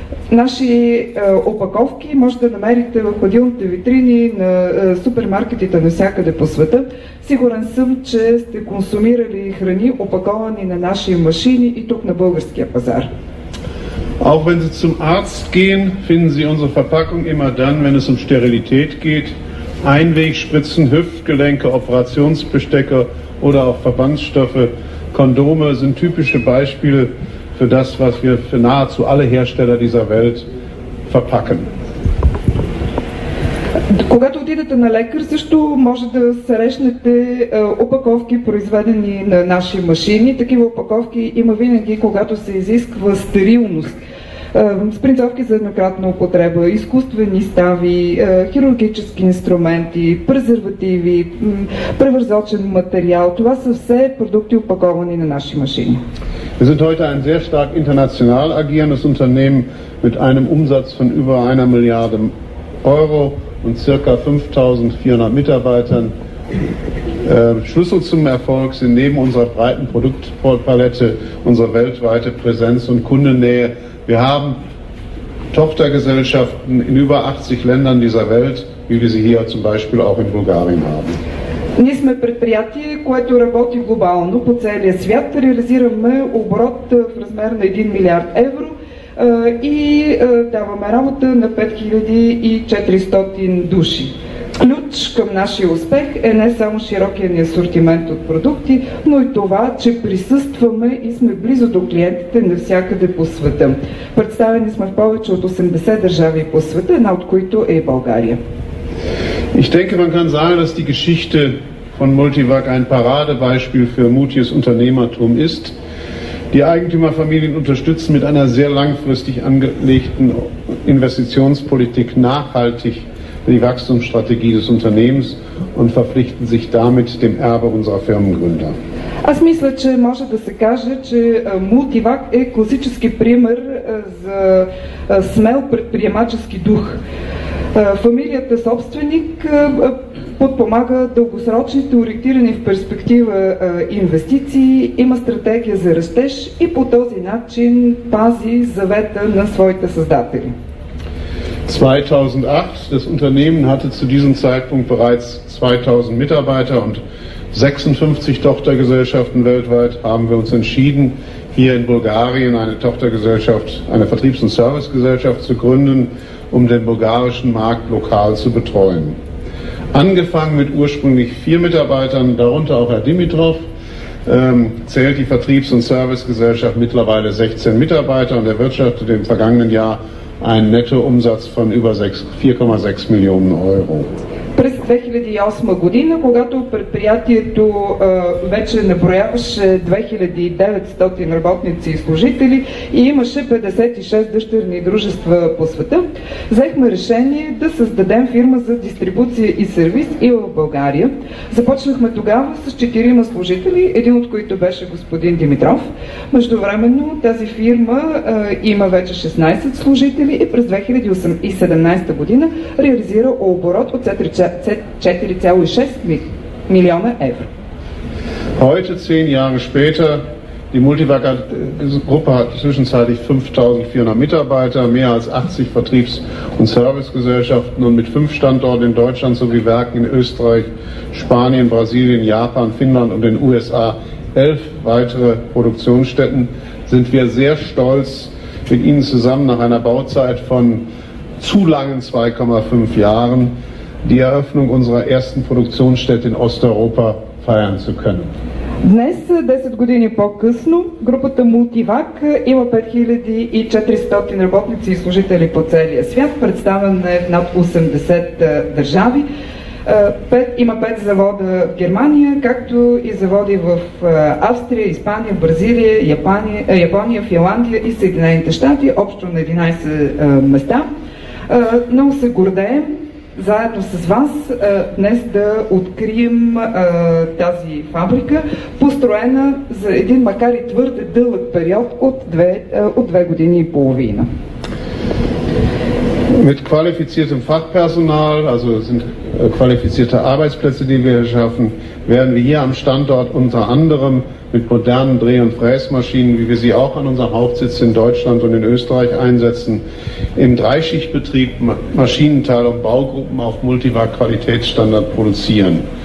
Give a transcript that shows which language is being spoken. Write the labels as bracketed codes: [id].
[bg] Наши опаковки може да намерите в хладилните витрини на супермаркетите навсякъде по света. Сигурен съм, че сте консумирали храни, опаковани на наши машини и тук на българския пазар. [de] Auch wenn Sie zum Arzt gehen, finden Sie unsere Verpackung immer dann, wenn es Sterilität geht. Einwegspritzen, Hüftgelenke, Operationsbestecke oder auch Verbandsstoffe, Kondome sind typische Beispiele für das, was wir für nahezu alle Hersteller dieser Welt verpacken. [bg] Когато отидете на лекар, също може да срещнете опаковки, произведени на наши машини. Такива опаковки има винаги, когато се изисква стерилност. Спринцовки за еднократна употреба, изкуствени стави, хирургически инструменти, презервативи, превързочен материал. Това са все продукти, опаковани на наши машини. [de] Wir sind heute ein sehr stark international agierendes Unternehmen mit einem Umsatz von über 1 Milliarde Euro und ca. 5.400 Mitarbeitern. Schlüssel zum Erfolg sind neben unserer breiten Produktpalette unsere weltweite Präsenz und Kundennähe. Wir haben Tochtergesellschaften in über 80 Ländern dieser Welt, wie wir sie hier zum Beispiel auch in Bulgarien haben. [bg] Ние сме предприятие, което работи глобално по целия свят. Реализираме оборот в размер на 1 милиард евро и даваме работа на 5400 души. Ключ към нашия успех е не само широкия ни асортимент от продукти, но и това, че присъстваме и сме близо до клиентите навсякъде по света. Представени сме в повече от 80 държави по света, една от които е България. [de] Ich denke, man kann sagen, dass die Geschichte von Multivac ein Paradebeispiel für mutiges Unternehmertum ist. Die Eigentümerfamilien unterstützen mit einer sehr langfristig angelegten Investitionspolitik nachhaltig die Wachstumsstrategie des Unternehmens und verpflichten sich damit dem Erbe unserer Firmengründer. [bg] Аз мисля, че може да се каже, че Multivac е класически пример за смел предприемачески дух. Фамилията собственик подпомага дългосрочните ориентирани в перспектива инвестиции, има стратегия за растеж и по този начин пази завета на своите създатели. [de] 2008, das Unternehmen hatte zu diesem Zeitpunkt bereits 2000 Mitarbeiter und 56 Tochtergesellschaften weltweit, haben wir uns entschieden, hier in Bulgarien eine Tochtergesellschaft, eine Vertriebs- und Servicegesellschaft zu gründen, um den bulgarischen Markt lokal zu betreuen. Angefangen mit ursprünglich 4 Mitarbeitern, darunter auch Herr Dimitrov, zählt die Vertriebs- und Servicegesellschaft mittlerweile 16 Mitarbeiter und erwirtschaftet im vergangenen Jahr einen Nettoumsatz von über 4,6 Millionen Euro. [bg] През 2008 година, когато предприятието вече наброяваше 2900 работници и служители и имаше 56 дъщерни дружества по света, взехме решение да създадем фирма за дистрибуция и сервиз и в България. Започнахме тогава с 4 служители, един от които беше господин Димитров. Междувременно тази фирма има вече 16 служители и през 2017 година реализира оборот от 4,6 [de] Millionen Euro. Heute, 10 Jahre später, die Multivac-Gruppe hat zwischenzeitlich 5.400 Mitarbeiter, mehr als 80 Vertriebs- und Servicegesellschaften und mit 5 Standorten in Deutschland sowie Werken in Österreich, Spanien, Brasilien, Japan, Finnland und den USA, 11 weitere Produktionsstätten, sind wir sehr stolz, mit Ihnen zusammen nach einer Bauzeit von zu langen 2,5 Jahren die Eröffnung unserer ersten Produktionsstätte in Osteuropa feiern zu können. [bg] Днес, 10 години по-късно, групата Multivac има 5400 работници и служители по целия свят, представена е в над 80 държави. Има 5 завода в Германия, както и заводи в Австрия, Испания, Бразилия, Япония, Финландия и Съединените щати, общо на 11 места. Много се гордеем заедно с вас днес да открием тази фабрика, построена за един макар и твърде дълъг период от две години и половина. [de] Mit qualifiziertem Fachpersonal, also sind qualifizierte Arbeitsplätze, die wir schaffen, werden wir hier am Standort unter anderem mit modernen Dreh- und Fräsmaschinen, wie wir sie auch an unserem Hauptsitz in Deutschland und in Österreich einsetzen, im Dreischichtbetrieb Maschinenteile und Baugruppen auf Multivac-Qualitätsstandard produzieren.